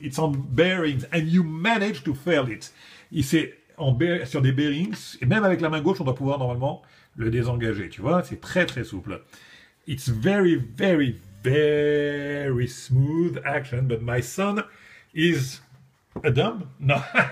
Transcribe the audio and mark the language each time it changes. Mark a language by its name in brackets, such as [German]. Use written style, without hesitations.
[English] It's on bearings, and you managed to fail it. [French] C'est sur des bearings, et même avec la main gauche, on doit pouvoir normalement le désengager, tu vois. C'est très, très souple. [English] It's very, very, very smooth action, but my son is a dumb. No.